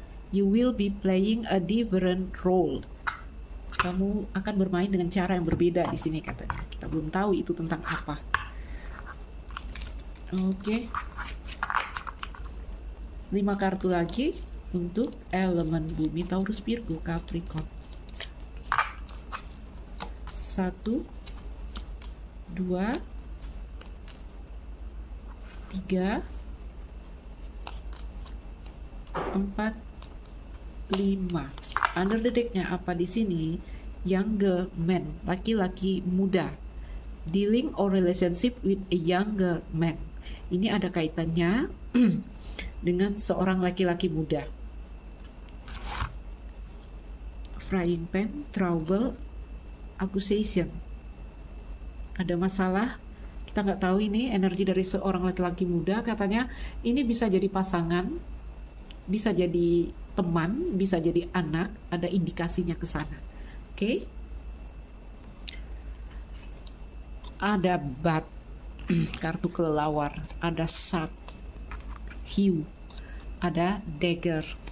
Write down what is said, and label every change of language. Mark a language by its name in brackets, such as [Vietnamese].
[English] You will be playing a different role. [Indonesian] Kamu akan bermain dengan cara yang berbeda di sini katanya. Kita belum tahu itu tentang apa. Oke. 5 kartu lagi untuk elemen bumi, Taurus, Virgo, Capricorn. 1 2 3 4 5. Under the deck-nya apa di sini? [English] Younger man, [Indonesian] laki-laki muda. [English] Dealing or relationship with a younger man. [Indonesian] Ini ada kaitannya dengan seorang laki-laki muda. [English] Frying pan, trouble, accusation. [Indonesian] Ada masalah. Kita nggak tahu ini energi dari seorang laki-laki muda, katanya ini bisa jadi pasangan, bisa jadi teman, bisa jadi anak, ada indikasinya ke sana. Oke. Okay. Ada bat, kartu kelelawar, ada shark, hiu, ada dagger.